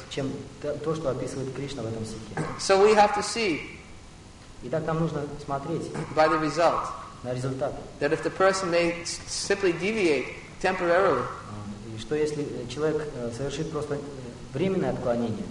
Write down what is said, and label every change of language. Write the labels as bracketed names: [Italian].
[Russian] Чем то, что описывает Кришна в этом стихе. [English] So we have to see. [Russian] Итак, нам нужно смотреть. [English] By the result. [Russian] На результат. [English] That if the person may simply deviate temporarily. [Russian] И что если человек совершит просто временное отклонение.